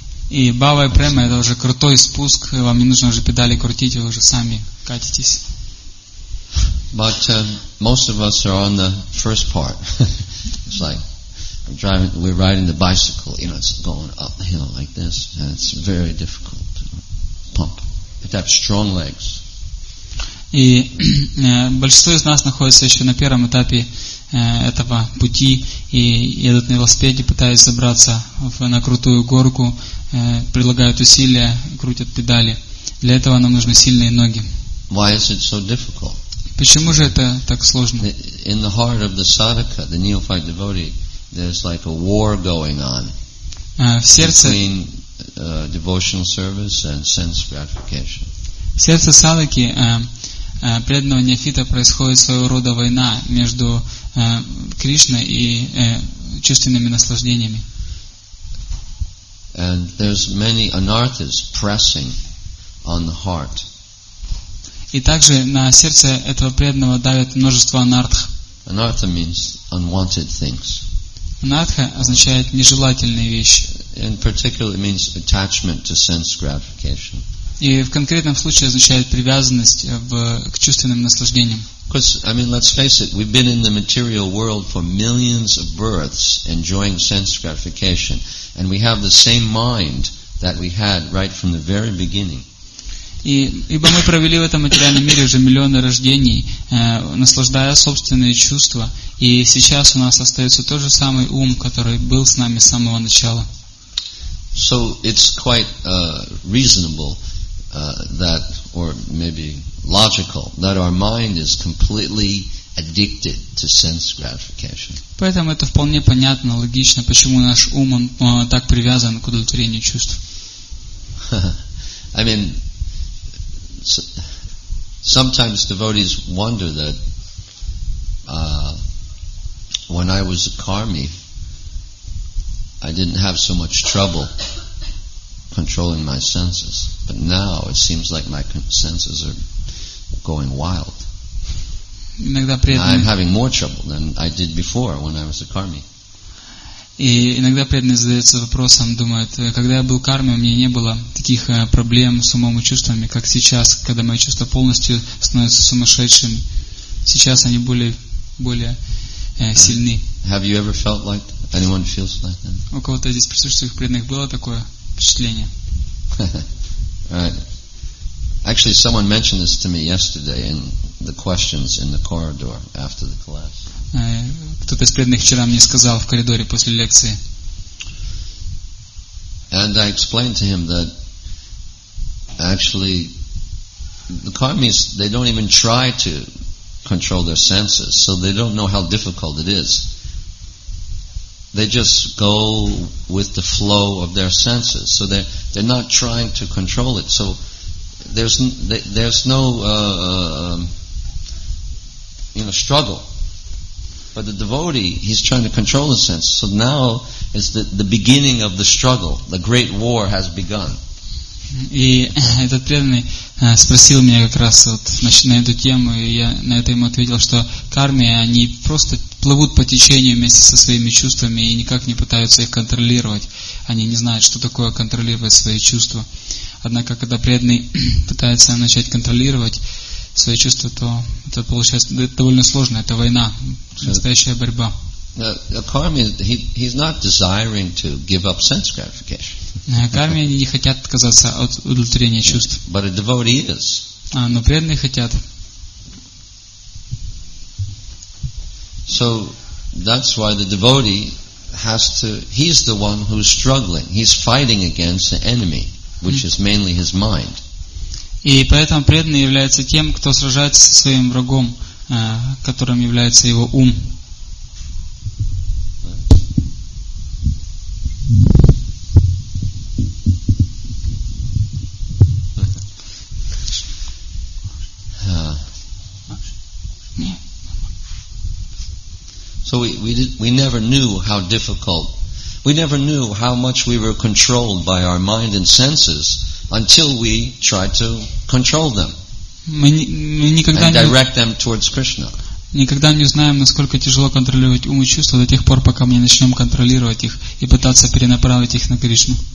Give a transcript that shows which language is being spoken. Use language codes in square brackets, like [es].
[ru] И Бхава Према это уже крутой спуск. Вам не нужно уже педали крутить, вы уже сами катитесь. [en] But most of us are on the first part. It's like we're riding the bicycle. You know, it's going uphill like this, and it's very difficult to pump. You have strong legs. [ru] И большинство из нас находится еще на первом этапе этого пути и едут на велосипеде, пытаясь забраться на крутую горку, прилагают усилия, крутят педали. Для этого нам нужны сильные ноги. [en] Why is it so difficult? [ru] Почему же это так сложно? [en] In the heart of the sadhaka, the neophyte devotee, there's like a war going on between devotional service and sense gratification. [ru] В сердце садхаки преданного неофита происходит своего рода война между Кришной и чувственными наслаждениями. [en] And there's many anarthas pressing on the heart. [ru] И также на сердце этого преданного давит множество анартх. [en] Anartha means unwanted things. [ru] Анартха означает нежелательные вещи. [en] In particular, it means attachment to sense gratification. [ru] И в конкретном случае означает привязанность к чувственным наслаждениям. [en] Because, I mean, let's face it, we've been in the material world for millions of births enjoying sense gratification, and we have the same mind that we had right from the very beginning. [ru] Ибо мы провели в этом материальном мире уже миллионы рождений, наслаждая собственные чувства, и сейчас у нас остается тот же самый ум, который был с нами с самого начала. [en] So it's quite reasonable that, or maybe logical, that our mind is completely addicted to sense gratification. [ru] Поэтому это вполне понятно, логично, почему наш ум он так привязан к удовлетворению чувств. [en] I mean, sometimes devotees wonder that when I was a karmi, I didn't have so much trouble controlling my senses, but now it seems like my senses are going wild. [ru] Иногда преданные. [en] I'm having more trouble than I did before when I was a karmi. [ru] И иногда преданные задаются вопросом, думают, когда я был карми, у меня не было таких проблем с умом и чувствами, как сейчас, когда мои чувства полностью становятся сумасшедшими. Сейчас они более сильны. [en] Have you ever felt like that? Anyone feels like that? [ru] У кого-то здесь присутствующих преданных было такое? [en] Right. Actually, someone mentioned this to me yesterday in the questions in the corridor after the class. [ru] Кто-то из преданных вчера мне сказал в коридоре после лекции. [en] And I explained to him that actually the karmis, they don't even try to control their senses, so they don't know how difficult it is. They just go with the flow of their senses, so they're not trying to control it. So there's no struggle. But the devotee, he's trying to control his senses. So now is the beginning of the struggle. The great war has begun. [ru] И этот преданный спросил меня как раз вот на эту тему, и я на это ему ответил, что карми, они просто плывут по течению вместе со своими чувствами и никак не пытаются их контролировать. Они не знают, что такое контролировать свои чувства. Однако, когда преданный пытается начать контролировать свои чувства, то это получается довольно сложно. Это война, настоящая борьба. [en] The karmi, he's not desiring to give up sense gratification. [ru] Карми они не хотят отказаться от удовлетворения чувств. [en] But a devotee is. [ru] Но преданные хотят. [en] So that's why the devotee has to. He's the one who's struggling. He's fighting against the enemy, which is mainly his mind. [ru] И поэтому преданный является тем, кто сражается со своим врагом, которым является его ум. [en] So we never knew how difficult. We never knew how much we were controlled by our mind and senses until we tried to control them. [ru] Мы никогда не [en] direct them towards Krishna. [ru] Никогда не узнаем, насколько тяжело контролировать ум и чувства до тех пор, пока мы не начнем контролировать их и пытаться перенаправить их на Кришну.